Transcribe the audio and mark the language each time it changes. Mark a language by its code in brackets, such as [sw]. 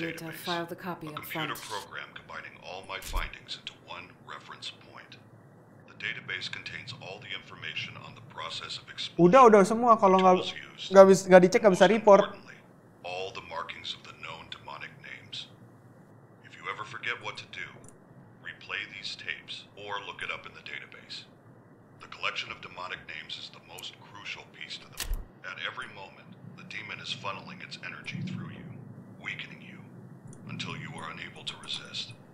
[en] I need to file the copy up front. A computer program combining all my findings into one reference point. The database contains all the information on the process of explosion. [id] Udah semua, kalau nggak dicek nggak bisa report. [en] All the markings of the known demonic names. If you ever forget what to do, replay these tapes or look it up in the database. The collection of demonic names is the most crucial piece to them. At every moment, the demon is funneling its energy through you, weakening you, until you are unable to resist.